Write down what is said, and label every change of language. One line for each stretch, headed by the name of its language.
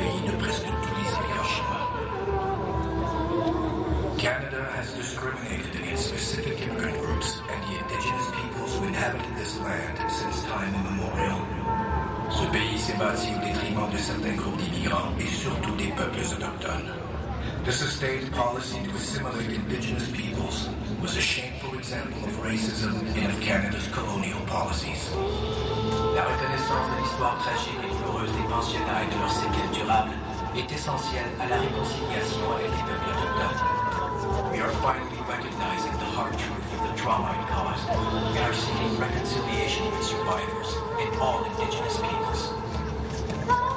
English: Canada has discriminated against specific immigrant groups and the indigenous. inhabited this land since time immemorial.
French: Ce pays s'est bâti au détriment de certains groupes d'immigrants et surtout des peuples autochtones.
English: The sustained policy to assimilate indigenous peoples was a shameful example of racism and of Canada's colonial policies.
French: La reconnaissance de l'histoire tragique et douloureuse des pensionnats et de leurs séquelles durables est essentielle à la réconciliation avec les peuples autochtones.
English: We are finally recognizing the hard truth of the trauma it caused. We are seeking reconciliation with survivors and all indigenous peoples.